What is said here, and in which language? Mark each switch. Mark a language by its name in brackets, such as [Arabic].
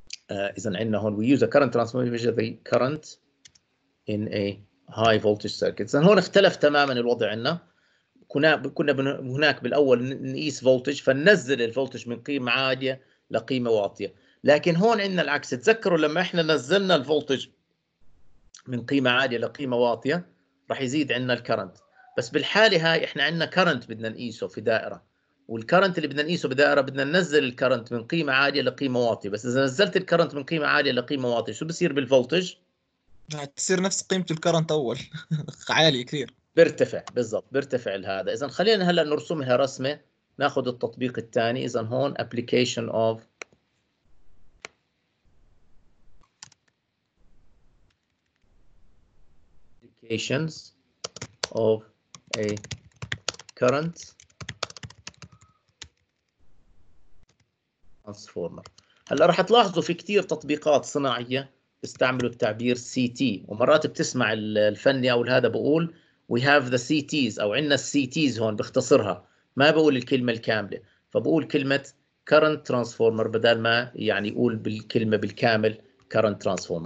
[Arabic] إذن عندنا هون [English] we use a current transformer to measure the current in a high voltage circuit. [Arabic] إذن هون اختلف تماما الوضع عندنا. كنا هناك بالأول نقيس voltage فننزل الvoltage من قيمة عالية لقيمة واطية، لكن هون عندنا العكس. تذكروا لما احنا نزلنا الvoltage من قيمة عالية لقيمة واطية راح يزيد عندنا الكرنت، بس بالحاله هاي احنا عندنا كرنت بدنا نقيسه في دائره، والكرنت اللي بدنا نقيسه بدائره بدنا ننزل الكرنت من قيمه عاليه لقيمه واطيه. بس اذا نزلت الكرنت من قيمه عاليه لقيمه واطيه شو بصير بالفولتج؟ تصير نفس قيمه الكرنت اول عالي كثير، بيرتفع. بالضبط بيرتفع هذا. اذا خلينا هلا نرسمها رسمه، ناخذ التطبيق الثاني. اذا هون [English] Application of applications of a current transformer. [Arabic] هلا راح تلاحظوا في كتير تطبيقات صناعية بيستعملوا التعبير CT، ومرات بتسمع الفني أو هذا بقول [English] we have the CTs [Arabic] أو عندنا CTs هون، بختصرها ما بقول الكلمة الكاملة، فبقول كلمة current transformer بدل ما يعني يقول بالكلمة بالكامل current transformer.